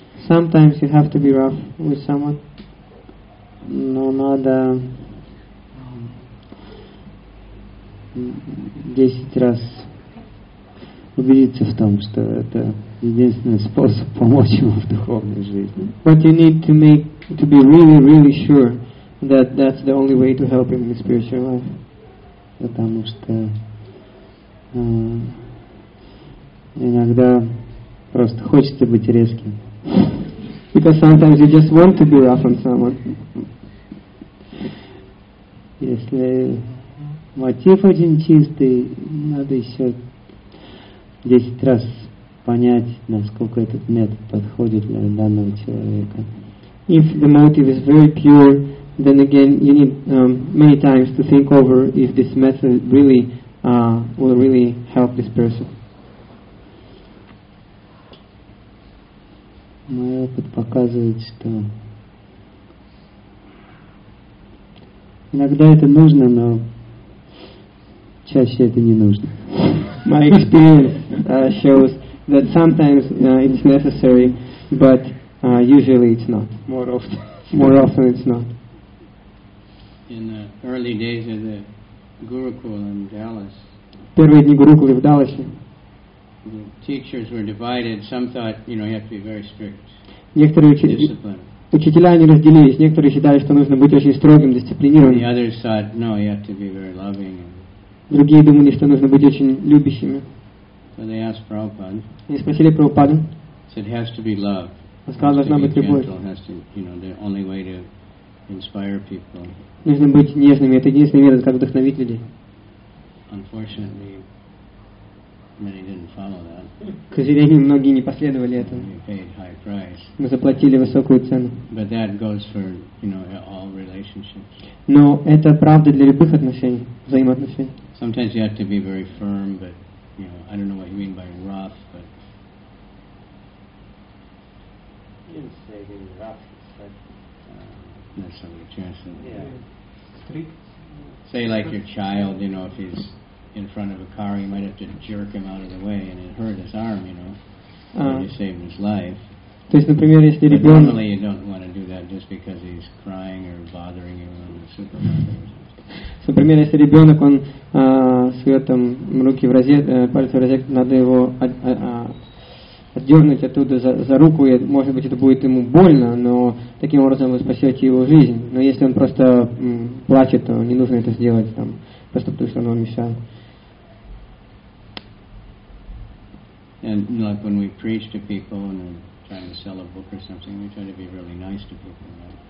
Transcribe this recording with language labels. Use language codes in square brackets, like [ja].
[en] Sometimes you have to be rough with someone. [ru] Но надо 10 раз убедиться в том, что это единственный способ помочь ему в духовной жизни. [en] But you need to make to be really, really sure that that's the only way to help him in his spiritual life. [ru] Потому что иногда просто хочется быть резким. [en] Because sometimes you just want to be rough on someone. [ru] Если мотив один чистый, надо еще 10 раз понять, насколько этот метод подходит для данного человека. [en] If the motive is very pure, then again you need many times to think over if this method really will really help this person. [ru] Мой опыт показывает, что иногда это нужно, но чаще это не нужно. [en] My experience shows that sometimes it's necessary, but usually it's not. More often it's not. In the early days of the Gurukul in Dallas, [ru] первые дни Гурукулы в Далласе, [en] the teachers were divided. Some thought, you know, you have to be very strict. [ru] Некоторые учителя они разделились. Некоторые считали, что нужно быть очень строгим, дисциплинированным. [en] The others thought, no, you have to be very loving. [ru] Другие думали, что нужно быть очень любящими. [en] So they asked Prabhupada. [ru] Они спросили Прабхупаду. [en] Said it has to be love. [ru] Он сказал, должна быть любовь. [en] Gentle, has to, you know, the only way to inspire people. [ru] Нужно быть нежными. Это единственный метод, как вдохновить людей. [en] Unfortunately, many didn't follow that. [ru] К сожалению, многие не последовали этому. Мы заплатили высокую цену. [en] But that goes for, you know, all relationships. [ru] Но это правда для любых отношений, взаимоотношений. [en] Sometimes you have to be very firm, but, you know, I don't know what you mean by rough, but... You didn't say being rough, but... That's a good chance. Yeah. Say like your child, you know, if he's in front of a car, you might have to jerk him out of the way, and it hurt his arm, you know, when you saved his life. [ru] То есть, например, если ребенок... [en] But normally you don't want to do that just because he's crying or bothering you on the supermarket. [ru] Например, если ребенок, он сует там руки в розет, пальцы в розет, надо его отдернуть оттуда за руку, и, может быть, это будет ему больно, но таким образом вы спасете его жизнь. Но если он просто плачет, то не нужно это сделать там, просто потому что он вам мешал. [en] And like when we preach to people and trying to sell a book or something, we try to be really nice to people.